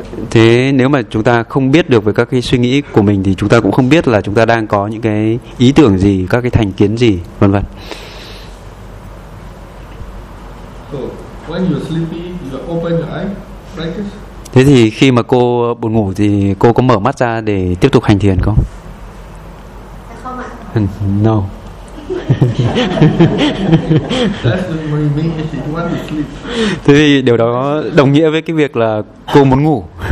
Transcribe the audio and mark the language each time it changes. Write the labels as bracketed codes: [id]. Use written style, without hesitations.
[vi] Thế nếu mà chúng ta không biết được về các cái suy nghĩ của mình thì chúng ta cũng không biết là chúng ta đang có những cái ý tưởng gì, các cái thành kiến gì vân vân. [en] When you're sleepy, you open your eyes, practice. [vi] Thế thì khi mà cô buồn ngủ thì cô có mở mắt ra để tiếp tục hành thiền không? Không ạ. [en] No. That's what you mean if you want to sleep. [vi] Thế thì điều đó đồng nghĩa với cái việc là cô muốn ngủ.